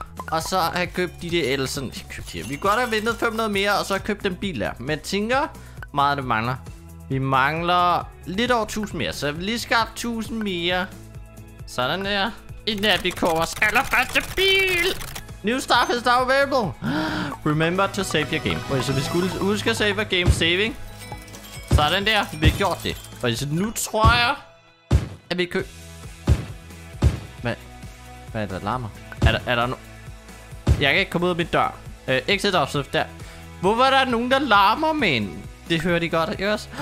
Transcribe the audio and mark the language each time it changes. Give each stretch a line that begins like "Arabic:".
Danish: Og så have købt de der... Eller sådan... Købt her. Vi kunne godt have ventet 5 minutter mere, og så have købt den bil der. Men jeg tænker, meget det mangler. Vi mangler lidt over 1000 mere, så vi lige skabt 1000 mere. Sådan der. Inden at vi kører vores allerførste bil.
English: New stuff is now available. Remember to save your game.
Danish: Okay, så vi skulle huske at
English: save our game saving.
Danish: Sådan der. Vi har gjort det. Okay, så nu tror jeg, at vi kører. Hvad er det, der larmer? Er der no... Jeg kan ikke komme ud af min dør. Exit off der. Hvorfor er der nogen, der larmer, men? Det hører de godt, ikke også?